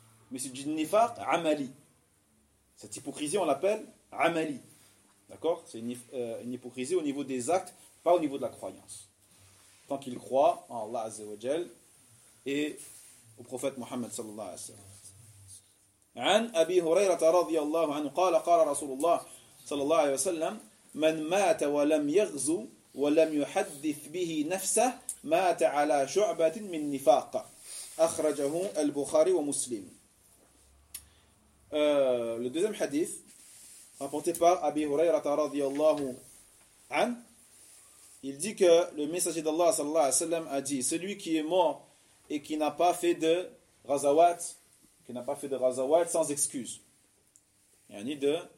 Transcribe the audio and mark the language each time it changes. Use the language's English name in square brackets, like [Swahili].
[French] Mais c'est du nifaq amali. Cette hypocrisie, on l'appelle amali. D'accord? C'est une hypocrisie au niveau des actes, pas au niveau de la croyance. Tant qu'il croit en Allah Azza wa Jal et... au prophète Mohammed sallallahu alayhi wa sallam. [Arabic] عن أبي هريرة رضي الله عنه قال قال رسول الله صلى الله عليه وسلم من مات ولم يغزو ولم يحدث به نفسه مات على شعبة من نفاق أخرجه البخاري ومسلم. [French] Le deuxième hadith rapporté par Abi Hurayrata radiyallahu an, il dit que le messager d'Allah sallallahu alayhi wa sallam a dit: celui qui est mort et qui n'a pas fait de ghazawat, qui n'a pas fait de ghazawat sans excuse, yani de